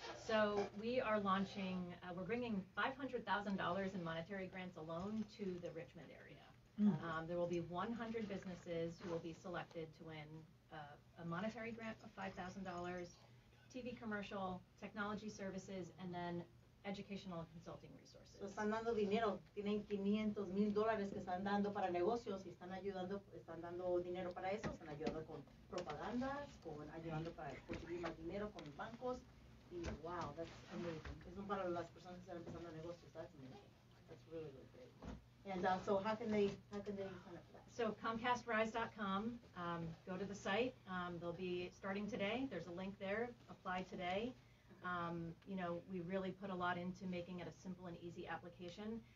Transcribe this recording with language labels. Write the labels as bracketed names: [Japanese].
[English] So, we are launching, we're bringing $500,000 in monetary grants alone to the Richmond area. Mm-hmm. There will be 100 businesses who will be selected to win a monetary grant of $5,000. TV commercial, technology services, and then educational and consulting resources. [Spanish] So están dando dinero, tienen 500 mil dólares que están dando para negocios y están dando dinero para eso, están ayudando con propagandas, con ayudando para conseguir más dinero con bancos. Y [English] wow, that's amazing. [Spanish] Es un para las personas que están empezando negocios. [English] That's amazing. That's really, really great. And so how can they sign up for that? So ComcastRise.com, go to the site. They'll be starting today. There's a link there. Apply today. You know, we really put a lot into making it a simple and easy application.